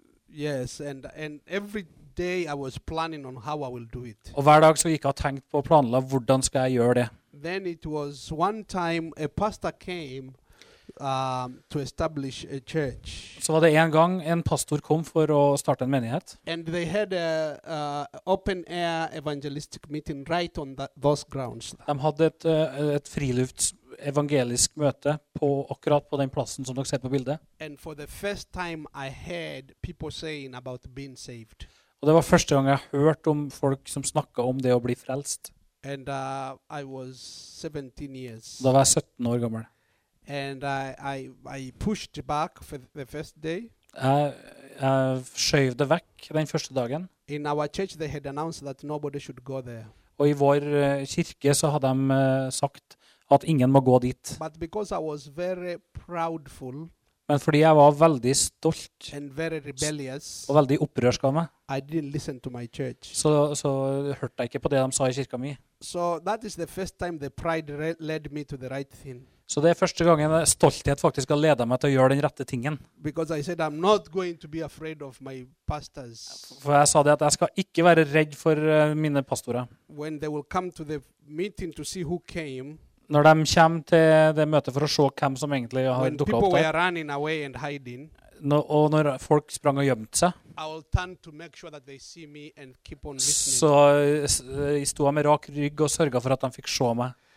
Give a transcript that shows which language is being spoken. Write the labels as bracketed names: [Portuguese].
[English] Yes, and every day I was planning on how I will do it. [Norwegian] Og hver dag så gikk jeg og tenkte på å planla hvordan skal jeg gjøre det. [English] Then it was one time a pastor came to establish a church. [Norwegian] Så var det en gang en pastor kom for å starte en menighet. [English] And they had a open air evangelistic meeting right on those grounds. [Norwegian] De hadde et frilufts evangelisk møte på akkurat på den plassen som dere ser på bildet. [English] And for the first time I heard people saying about being saved. [Norwegian] Og det var første gang jeg hørte om folk som snakket om det å bli frelst. [English] And I was 17 years. [Norwegian] Da var jeg 17 år gammel. [English] And I pushed back for the first day. [Norwegian] Jeg skjøvde vekk den første dagen. [English] In our church they had announced that nobody should go there. [Norwegian] Og I vår kirke så hadde de sagt at ingen må gå dit. [English] But because I was very proudful. [Norwegian] Men fordi jeg var veldig stolt [English] and very rebellious, [Norwegian] og veldig opprørsk av meg, [English] I didn't listen to my church. [Norwegian] Så hørte jeg ikke på det de sa I kirka mi. [English] So that is the first time the pride led me to the right thing. [Norwegian] Så det første gangen stolthet faktisk har ledet meg til å gjøre den rette tingen. [English] Because I said I'm not going to be afraid of my pastors. [Norwegian] For jeg sa det at jeg skal ikke være redd for mine pastorer. [English] When they will come to the meeting to see who came. [Norwegian] Når de kommer til det møtet for å se hvem som egentlig har dukket opp [English] der. Running away and hiding, [Norwegian] og når folk sprang og gjemte seg. [English] I will turn to make sure that they see me and keep on listening. [Norwegian] Så jeg stod med rak rygg og sørget for at de fikk se meg.